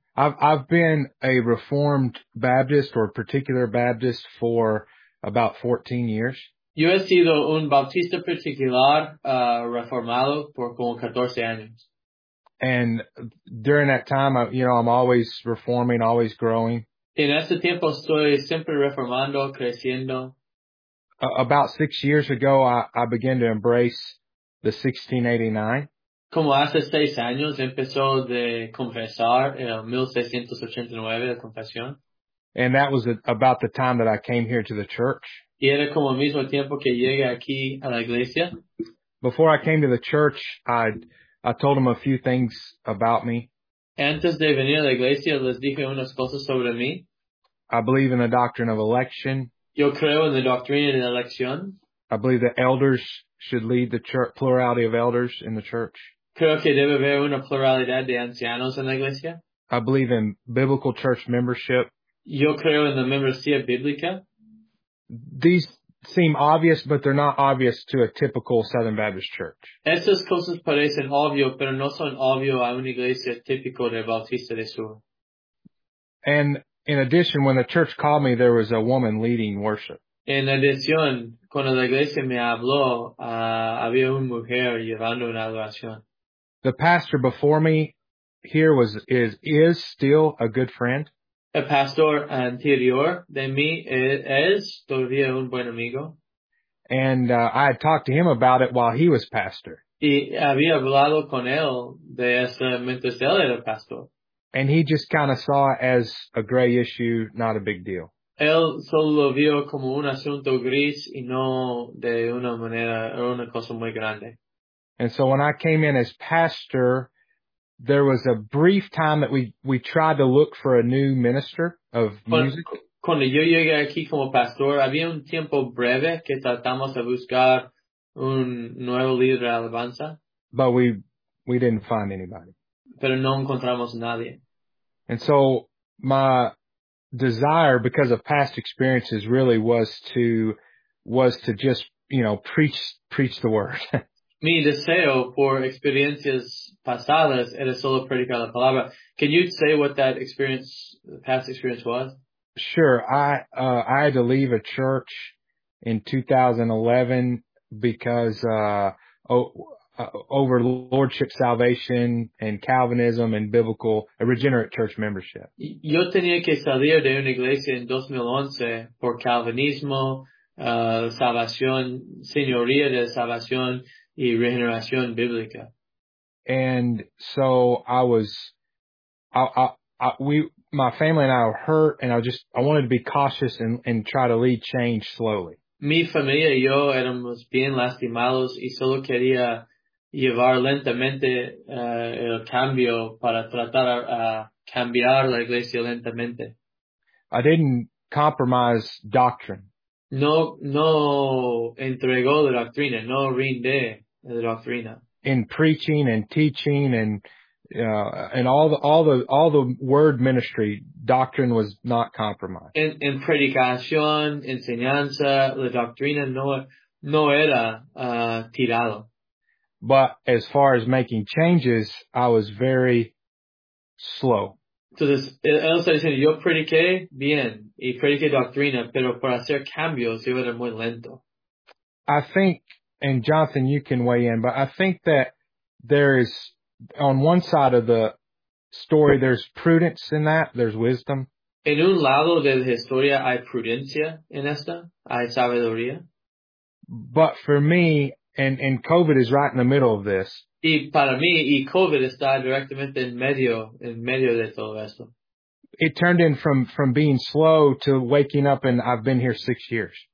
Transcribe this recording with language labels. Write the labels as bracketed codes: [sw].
[en] I've been a Reformed Baptist or particular Baptist for about 14 years. [es] Yo he sido un bautista particular, reformado por como 14 años. [en] And during that time, I'm always reforming, always growing. [es] En este tiempo estoy siempre reformando, creciendo. [en] About 6 years ago, I began to embrace the 1689. [es] Como hace 6 años empezó de confesar el 1689 de confesión. [en] And that was about the time that I came here to the church. [es] Y era como el mismo tiempo que llegué aquí a la iglesia. [en] Before I came to the church, I told them a few things about me. [es] Antes de venir a la iglesia les dije unas cosas sobre mí. [en] I believe in the doctrine of election. [es] Yo creo en la doctrina de la elección. [en] I believe that elders should lead the church, plurality of elders in the church. [es] Creo que debe haber una pluralidad de ancianos en la iglesia. [en] I believe in biblical church membership. [es] Yo creo en la membresía bíblica. [en] These seem obvious, but they're not obvious to a typical Southern Baptist church. [es] Estas cosas parecen obvio, pero no son obvio a una iglesia típica de Bautista del Sur. [en] And in addition, when the church called me, there was a woman leading worship. [es] En adición, cuando la iglesia me habló, había una mujer llevando una adoración. [en] The pastor before me here is still a good friend. [es] El pastor anterior de mí es todavía un buen amigo. [en] And I had talked to him about it while he was pastor. [es] Y había hablado con él de esa mientras él era pastor. [en] And he just kind of saw it as a gray issue, not a big deal. [es] Él solo lo vio como un asunto gris y no de una manera, era una cosa muy grande. [en] And so when I came in as pastor, there was a brief time that we tried to look for a new minister of music. [es] Cuando yo llegué aquí como pastor, había un tiempo breve que tratamos de buscar un nuevo líder de alabanza, [en] But we didn't find anybody. [es] pero no encontramos nadie. [en] And so desire because of past experiences really was to just, you know, preach the word. [es] Mi deseo por experiencias pasadas era solo predicar la palabra. [en] Can you say what that past experience was? Sure. I had to leave a church in 2011 because over Lordship Salvation and Calvinism and biblical regenerate church membership. [es] Yo tenía que salir de una iglesia en 2011 por Calvinismo, salvación, señoría de salvación y regeneración bíblica. [en] And so I was, my family and I were hurt, and I wanted to be cautious and try to lead change slowly. [es] Mi familia y yo éramos bien lastimados y solo quería llevar lentamente el cambio para tratar a cambiar la iglesia lentamente. [en] I didn't compromise doctrine. [es] No entregó la doctrina, no rinde la doctrina. [en] In preaching and teaching and all the word ministry, doctrine was not compromised. [es] En predicación, enseñanza, la doctrina no era tirado. [en] But as far as making changes, I was very slow. [es] Entonces, él está diciendo, yo prediqué bien y prediqué doctrina, pero para hacer cambios, yo era muy lento. [en] I think, and Jonathan, you can weigh in, but I think that there is, on one side of the story, there's prudence in that, there's wisdom. [es] En un lado de la historia hay prudencia en esta, hay sabiduría. [en] But for me, And COVID is right in the middle of this. [es] Y para mí, y COVID está directamente en medio de todo esto. [en] It turned in from being slow to waking up and I've been here 6 years.